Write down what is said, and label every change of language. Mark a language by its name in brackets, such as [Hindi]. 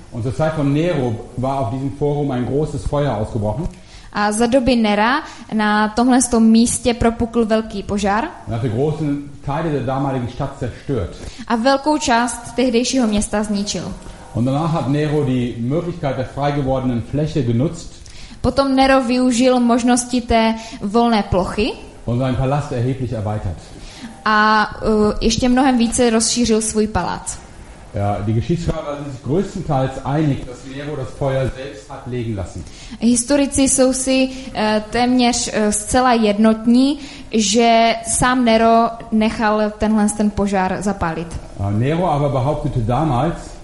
[German] Und zur Zeit von Nero war auf diesem Forum ein großes Feuer ausgebrochen. [Czech] A za doby Nera na tomhle místě propukl velký požár. [German] Hatte große Teile der damaligen Stadt zerstört. [Czech] A velkou část tehdejšího města zničil. [German] Und danach hat Nero die Möglichkeit der frei gewordenen Fläche genutzt. [Czech] Potom Nero využil možnosti té volné plochy [German] und seinen Palast erheblich erweitert. [Czech] A ještě mnohem více rozšířil svůj palác. [German] Ja, die Geschichtsschreiber sind sich größtenteils einig, dass Nero das Feuer selbst hat legen lassen. [Czech] Historici jsou si téměř zcela jednotní, že sám Nero nechal tenhle ten požár zapálit. [German] Nero aber behauptete damals,